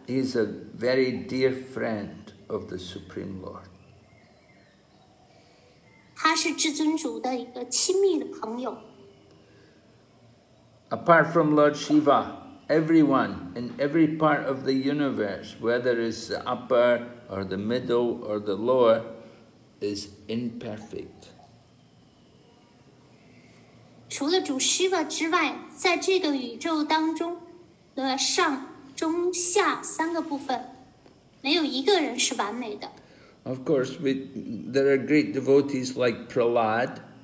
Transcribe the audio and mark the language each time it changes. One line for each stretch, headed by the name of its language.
English: He is a very dear friend of the Supreme Lord.
Chinese: 他是至尊主的一个亲密的朋友。
English: Apart from Lord Shiva, everyone in every part of the universe, whether it's the upper or the middle or the lower, is imperfect. Of course, there are great devotees like Prahlad.